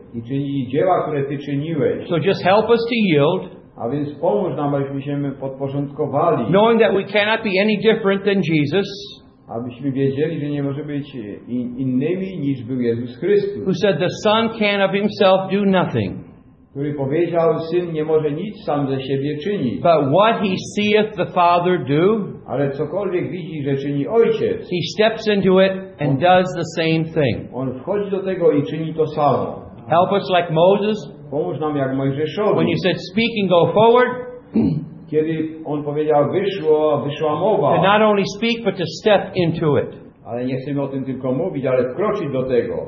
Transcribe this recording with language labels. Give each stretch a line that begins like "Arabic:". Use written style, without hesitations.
Polish: I czyni dzieła, które ty czyniłeś.
English: So just help us to yield.
Polish: A więc pomóż nam, abyśmy się podporządkowali.
English: Knowing that we cannot be any different than Jesus.
Polish: Abyśmy wiedzieli, że nie może być innymi niż był Jezus Chrystus.
English: Who said the Son can of himself do nothing.
Polish: Który powiedział, Syn nie może nic sam ze siebie czynić.
English: But what he seeth the Father do,
Polish: ale cokolwiek widzi, że czyni Ojciec,
English: he steps into it and does the same thing.
Polish: On wchodzi do tego i czyni to samo.
English: Help us like Moses,
Polish: pomóż nam jak Mojżeszowi.
English: When you said speak and go forward,
Polish: kiedy on powiedział wyszło, wyszła mowa.
English: To not only speak but to step into it.
Polish: Ale nie chcemy o tym tylko mówić, ale wkroczyć do tego.